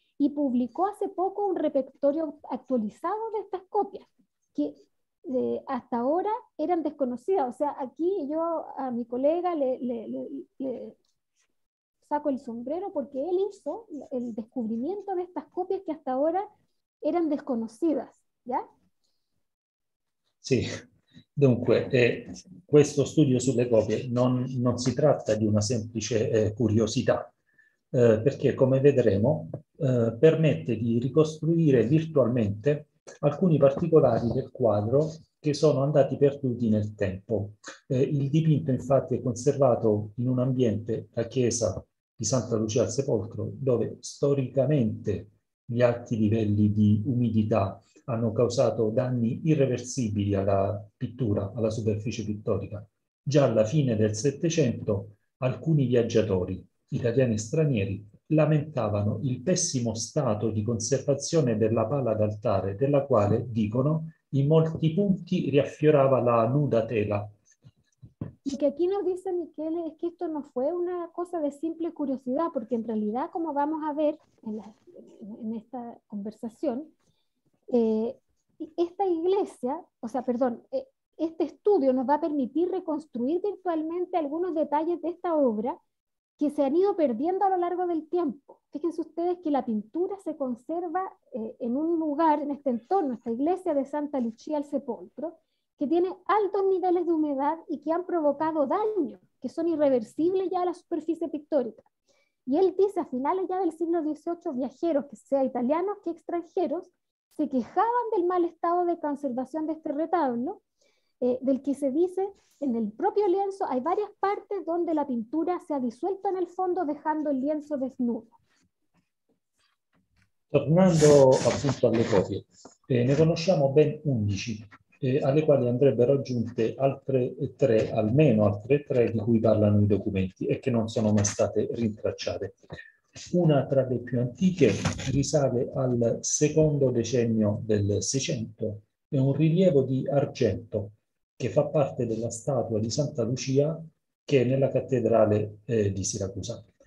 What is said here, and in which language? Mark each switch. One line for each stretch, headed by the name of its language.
Spanish: Y publicó hace poco un repertorio actualizado de estas copias, que hasta ahora eran desconocidas. O sea, aquí yo a mi colega le saco el sombrero porque él hizo el descubrimiento de estas copias que hasta ahora eran desconocidas, ¿ya?
Italian: Sì, dunque, questo studio sulle copie non si tratta di una semplice, curiosità, perché, come vedremo, permette di ricostruire virtualmente alcuni particolari del quadro che sono andati perduti nel tempo. Il dipinto, infatti, è conservato in un ambiente, la chiesa di Santa Lucia al Sepolcro, dove storicamente gli alti livelli di umidità hanno causato danni irreversibili alla pittura, alla superficie pittorica. Già alla fine del Settecento, alcuni viaggiatori, italiani e stranieri, lamentavano il pessimo stato di conservazione della pala d'altare, della quale, dicono, in molti punti riaffiorava la nuda tela.
Spanish: Lo que aquí nos dice Michele es que esto no fue una cosa de simple curiosidad, porque en realidad, como vamos a ver en esta conversación, esta iglesia, o sea, perdón, este estudio nos va a permitir reconstruir virtualmente algunos detalles de esta obra que se han ido perdiendo a lo largo del tiempo. Fíjense ustedes que la pintura se conserva en un lugar, en este entorno, esta iglesia de Santa Lucía al Sepolcro, que tiene altos niveles de humedad y que han provocado daños, que son irreversibles ya a la superficie pictórica. Y él dice, a finales ya del siglo XVIII, viajeros, que sea italianos que extranjeros, se quejaban del mal estado de conservación de este retablo, del que se dice en el propio lienzo, hay varias partes donde la pintura se ha disuelto en el fondo, dejando el lienzo desnudo.
Italian: Tornando appunto alle copie, ne conosciamo ben 11. alle quali andrebbero aggiunte altre tre, almeno altre tre, di cui parlano i documenti e che non sono mai state rintracciate. Una tra le più antiche risale al secondo decennio del 600, è un rilievo di argento che fa parte della statua di Santa Lucia che è nella cattedrale di Siracusa.